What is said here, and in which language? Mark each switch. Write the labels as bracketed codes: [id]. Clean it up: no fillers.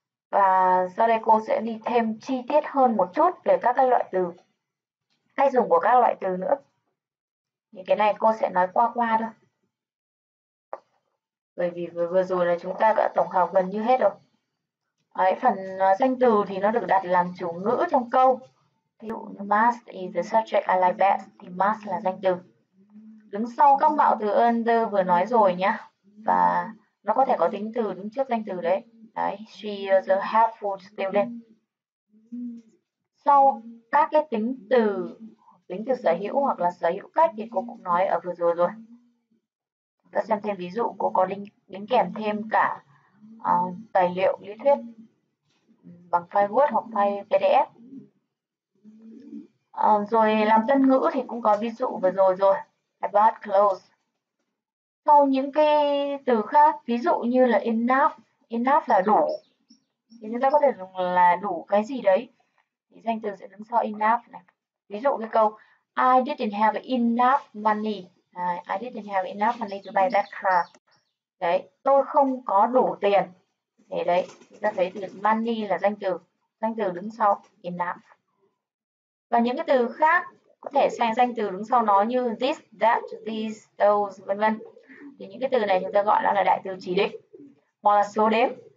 [vi] Và sau đây cô sẽ đi thêm chi tiết hơn một chút về các loại từ hay dùng của các loại từ nữa. Những cái này cô sẽ nói qua qua thôi. Bởi vì vừa rồi là chúng ta đã tổng hợp gần như hết rồi. Đấy, phần danh từ thì nó được đặt làm chủ ngữ trong câu. Ví dụ, [en] must is the subject I like best. [vi] Thì must là danh từ. Đứng sau các mạo từ under vừa nói rồi nhá. Và nó có thể có tính từ đứng trước danh từ đấy. Đấy, [en] she is a helpful student. [vi] Sau các cái tính từ sở hữu hoặc là sở hữu cách thì cô cũng nói ở vừa rồi rồi. Ta xem thêm ví dụ, cô có link kèm thêm cả tài liệu lý thuyết bằng file Word hoặc file PDF. Rồi làm tân ngữ thì cũng có ví dụ vừa rồi rồi, about, close. Sau những cái từ khác, ví dụ như là enough, enough là đủ. Thì chúng ta có thể dùng là đủ cái gì đấy. Thì danh từ sẽ đứng sau enough này. Ví dụ cái câu [en] I didn't have enough money. I didn't have enough money to buy that car. [vi] Đấy, tôi không có đủ tiền. Thế đấy, chúng ta thấy từ money là danh từ. Danh từ đứng sau enough. Và những cái từ khác có thể sang danh từ đứng sau nó như this, that, these, those, vân vân. Thì những cái từ này chúng ta gọi là đại từ chỉ định. Hoặc là số đếm.